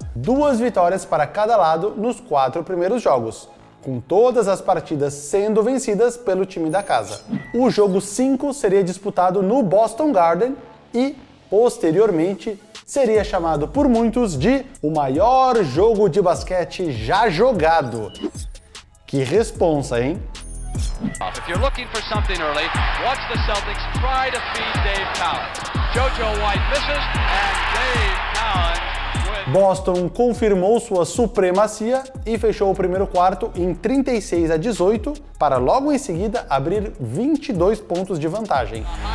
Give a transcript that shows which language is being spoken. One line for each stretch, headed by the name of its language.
Portuguese: Duas vitórias para cada lado nos quatro primeiros jogos, com todas as partidas sendo vencidas pelo time da casa. O jogo 5 seria disputado no Boston Garden e, posteriormente, seria chamado por muitos de o maior jogo de basquete já jogado. Que responsa, hein?
English: If you're looking for something early, watch the Celtics try to feed Dave Cowens. JoJo White misses and Dave Cowens.
Portuguese: Boston confirmou sua supremacia e fechou o primeiro quarto em 36-18, para logo em seguida abrir 22 pontos de vantagem.